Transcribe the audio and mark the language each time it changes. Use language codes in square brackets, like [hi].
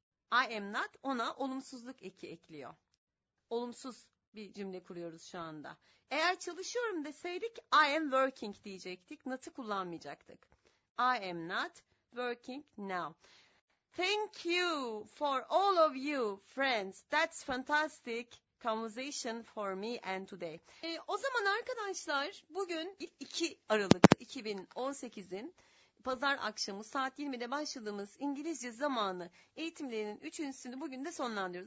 [en] I am not [tr] ona olumsuzluk ekliyor. Olumsuz bir cümle kuruyoruz şu anda. Eğer çalışıyorum deseydik [en] I am working [tr] diyecektik. Not'ı kullanmayacaktık. [en] I am not working now. Thank you for all of you friends. That's fantastic conversation for me and today. [tr] O zaman arkadaşlar bugün 2 Aralık 2018'in pazar akşamı saat 20'de başladığımız İngilizce zamanı eğitimlerinin 3.sünü bugün de sonlandırıyoruz.